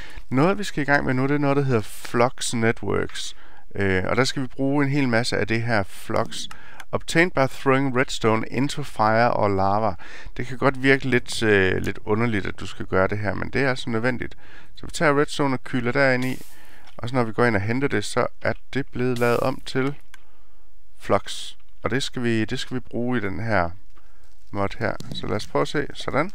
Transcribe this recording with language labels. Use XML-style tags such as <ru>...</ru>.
<da>Noget vi skal i gang med nu, det er noget der hedder Flux Networks. Og der skal vi bruge en hel masse af det her Flux.</da> <en>Obtained by throwing redstone into fire or lava.</en> <da>Det kan godt virke lidt underligt, at du skal gøre det her, men det er altså nødvendigt. Så vi tager redstone og kyler derind i, og så når vi går ind og henter det, så er det blevet lavet om til flux. Og det skal vi bruge i den her mod her. Så lad os prøve at se. Sådan.</da>